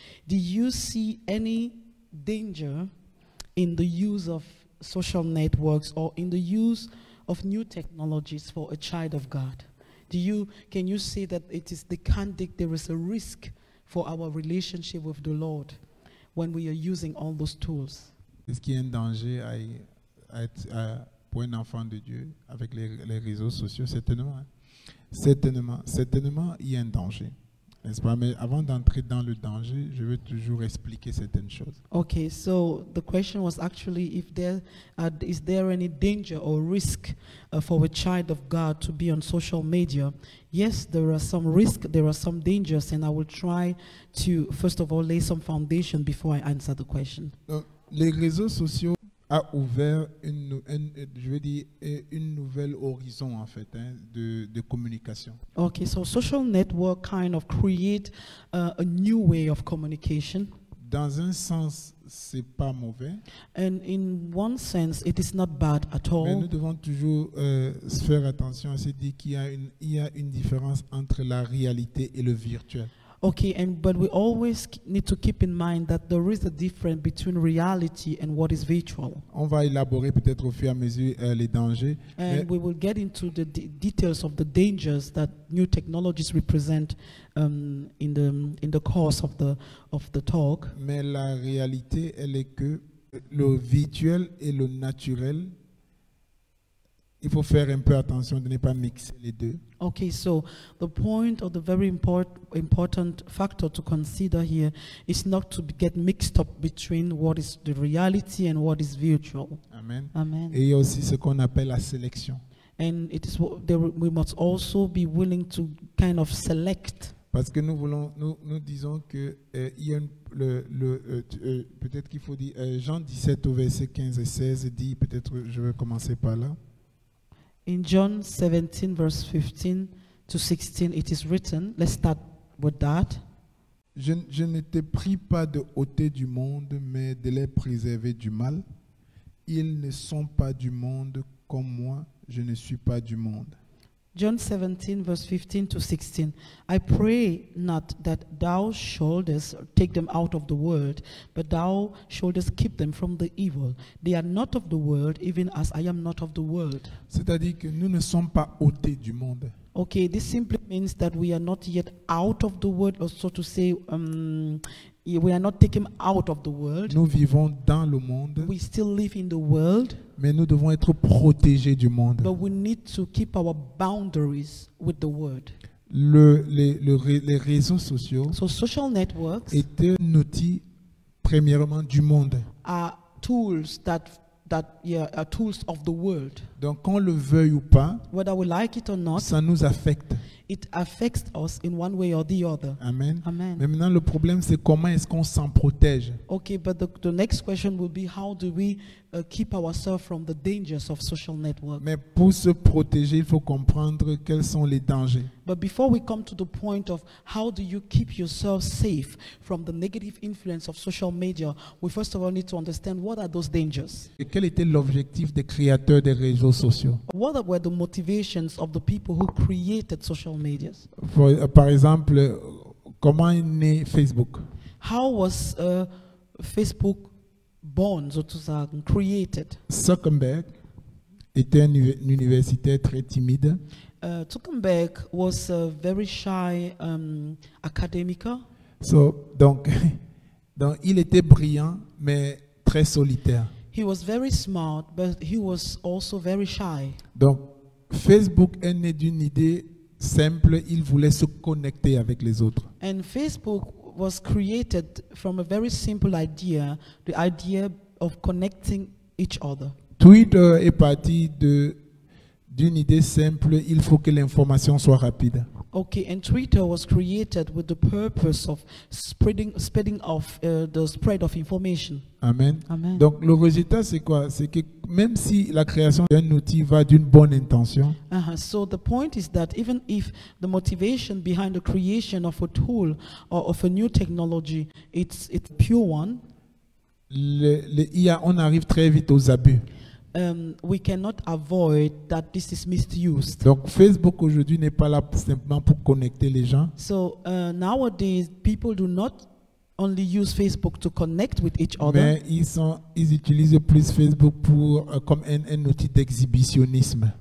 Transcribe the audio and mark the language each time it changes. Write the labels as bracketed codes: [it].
[en] Do you see any danger in the use of social networks or in the use of new technologies for a child of God? Can you say that it is the candidate, there is a risk for our relationship with the Lord when we are using all those tools? [fr] Est-ce qu'il y a un danger à pour un enfant de Dieu avec les réseaux sociaux? Certainement, hein? Certainement, il y a un danger. N'est-ce pas? Mais avant d'entrer dans le danger, je veux toujours expliquer certaines choses. [en] Okay, so the question was actually if there is there any danger or risk for a child of God to be on social media? Yes, there are some risks, there are some dangers, and I will try to first of all lay some foundation before I answer the question. [fr] Donc, les réseaux sociaux a ouvert une nouvelle horizon en fait hein, de communication. [en] Okay, so social network kind of create a new way of communication. [fr] Dans un sens, c'est pas mauvais. [en] And in one sense, it is not bad at all. [fr] Mais nous devons toujours faire attention à se dire qu'il y a une différence entre la réalité et le virtuel. [en] Okay, and but we always need to keep in mind that there is a difference between reality and what is virtual. [fr] On va élaborer peut-être au fur et à mesure les dangers. [en] And we will get into the details of the dangers that new technologies represent in the course of the talk. [fr] Mais la réalité, elle est que le virtuel et le naturel. Il faut faire un peu attention de ne pas mixer les deux. [en] Okay, so the point or the very important factor to consider here is not to get mixed up between what is the reality and what is virtual. Amen. Amen. [fr] Et il y a aussi ce qu'on appelle la sélection. [en] And it is we must also be willing to kind of select. [fr] Parce que nous disons que il y a peut-être qu'il faut dire Jean 17 au verset 15 et 16 dit peut-être je vais commencer par là. [en] In John 17, verse 15 to 16, it is written, let's start with that. [fr] Je ne te prie pas de ôter du monde, mais de les préserver du mal. Ils ne sont pas du monde comme moi, je ne suis pas du monde. [en] John 17, verse 15 to 16, I pray not that thou shouldest take them out of the world, but thou shouldest keep them from the evil. They are not of the world, even as I am not of the world. [fr] C'est-à-dire que nous ne sommes pas ôtés du monde. [en] Okay, this simply means that we are not yet out of the world, or so to say, we are not taken out of the world. [fr] Nous vivons dans le monde. [en] We still live in the world. [fr] Mais nous devons être protégés du monde. [en] But we need to keep our boundaries with the world. [fr] Les réseaux sociaux. [en] So social networks. [fr] Étaient un outil premièrement du monde. [en] Are tools are tools of the world. [fr] Donc qu'on le veuille ou pas. [en] Whether we like it or not. [fr] Ça nous affecte. [en] It affects us in one way or the other. Amen. Amen. [fr] Mais maintenant, le problème, c'est comment est-ce qu'on s'en protège? [en] Okay, but the next question will be how do we keep ourselves from the dangers of social networks? [fr] Mais pour se protéger, il faut comprendre quels sont les dangers. [en] But before we come to the point of how do you keep yourself safe from the negative influence of social media, we first of all need to understand what are those dangers. [fr] Et quel était l'objectif des créateurs des réseaux sociaux? [en] What were the motivations of the people who created social media? [fr] Par exemple, comment est né Facebook? [en] How was Facebook born, so to say, created? [fr] Zuckerberg était un universitaire très timide. [en] Zuckerberg was a very shy academic. [fr] So, donc il était brillant mais très solitaire. [en] He was very smart but he was also very shy. [fr] Donc Facebook est né d'une idée simple, il voulait se connecter avec les autres. [en] And Facebook was created from a very simple idea, the idea of connecting each other. [fr] Twitter est parti d'une idée simple, il faut que l'information soit rapide. [en] Okay, and Twitter was created with the purpose of spreading of information. Amen. Amen. [fr] Donc le résultat c'est quoi? C'est que même si la création d'un outil va d'une bonne intention. [en] So the point is that even if the motivation behind the creation of a tool or of a new technology, it's pure one. [fr] Le IA, on arrive très vite aux abus. [en] We cannot avoid that this is misused. [fr] Donc Facebook aujourd'hui n'est pas là simplement pour connecter les gens. [en] So nowadays people do not only use Facebook to connect with each other. [fr] Mais ils utilisent plus Facebook pour comme un outil d'exhibitionnisme.